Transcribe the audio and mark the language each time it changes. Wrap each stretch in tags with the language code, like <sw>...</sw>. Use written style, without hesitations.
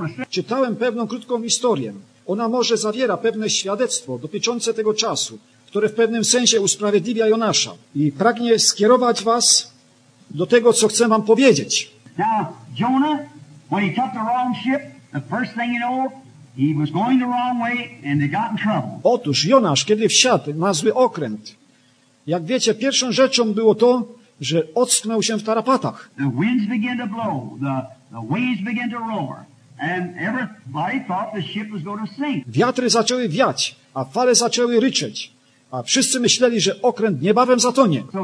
<pl>Czytałem pewną krótką historię. Ona może zawiera pewne świadectwo dotyczące tego czasu, które w pewnym sensie usprawiedliwia Jonasza. I pragnie skierować was do tego, co chcę wam powiedzieć.</pl> <en>Now, Jonah, when he took the wrong ship, the first thing you know, he was going the wrong way and they got in trouble.</en> <pl>Otóż Jonasz, kiedy wsiadł na zły okręt, jak wiecie, pierwszą rzeczą było to, że ocknął się w tarapatach.</pl> <en>The winds began to blow, the waves began to roar, and everybody thought the ship was going to sink.</en> <pl>Wiatry zaczęły wiać, a fale zaczęły ryczeć. A wszyscy myśleli, że okręt niebawem zatonie.</pl>